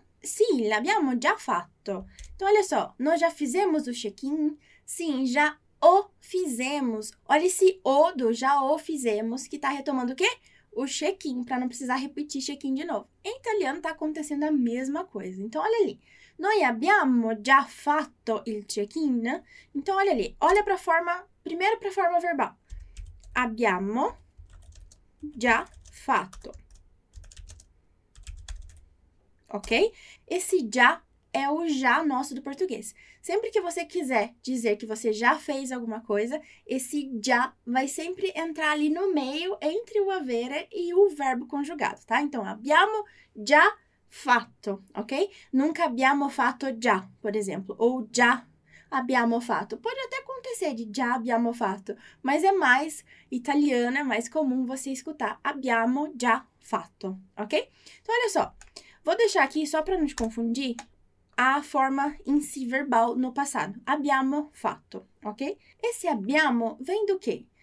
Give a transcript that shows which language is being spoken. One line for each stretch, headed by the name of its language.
Italian: Sì, l'abbiamo già fatto.
Portuguese: Tu lo so, noi già fizemos o check-in? Sim, já o fizemos. Olha esse o do já o fizemos, que está retomando o quê? O check-in, para não precisar repetir check-in de novo. Em italiano está acontecendo a mesma coisa. Então, olha ali.
Italian: Noi abbiamo già fatto il check-in.
Portuguese: Então, olha ali. Olha para a forma. Primeiro para a forma verbal.
Italian: Abbiamo già fatto.
Portuguese: Ok? Esse já é o já nosso do português. Sempre que você quiser dizer que você já fez alguma coisa, esse já vai sempre entrar ali no meio entre o avere e o verbo conjugado, tá?
Italian: Então, abbiamo già fatto, ok? Nunca abbiamo fatto già,
Portuguese: por exemplo, ou
Italian: già abbiamo fatto.
Portuguese: Pode até acontecer de
Italian: già abbiamo fatto,
Portuguese: mas é mais italiano, é mais comum você escutar
Italian: abbiamo già fatto,
Portuguese: ok? Então, olha só. Vou deixar aqui só para não te confundir a forma em si verbal no passado. Abbiamo fatto, ok? Esse abbiamo vem do quê?